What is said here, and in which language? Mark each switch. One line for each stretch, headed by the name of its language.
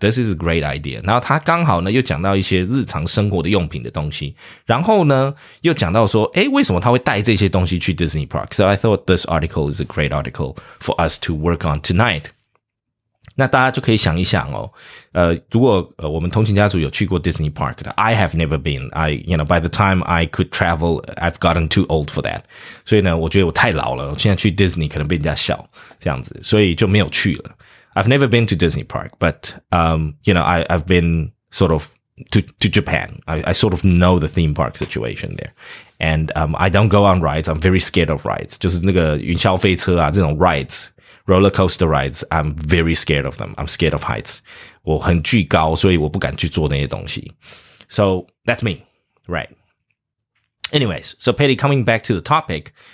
English: This is a great idea.
Chinese: 然后他刚好呢又讲到一些日常生活的用品的东西，然后呢又讲到说，为什么他会带这些东西去 Disney Park?
English: So I thought this article is a great article for us to work on tonight.
Chinese: 那大家就可以想一想哦，如果我们通勤家族有去过 Disney Park 的 ，
English: I have never been. I, you know, by the time I could travel, I've gotten too old for that.
Chinese: 所以呢，我觉得我太老了，我现在去 Disney 可能被人家笑这样子，所以就没有去了。
English: I've never been to Disney Park, but, you know, I've been sort of to Japan. I sort of know the theme park situation there. And, I don't go on rides. I'm very scared of rides.
Chinese: 就是那个云霄飞车啊，这种
English: rides, roller coaster rides, I'm very scared of them. I'm scared of heights.
Chinese: 我很惧高，所以我不敢去做那些东西。
English: So that's me. Right. Anyways, so Petty, coming back to the topic.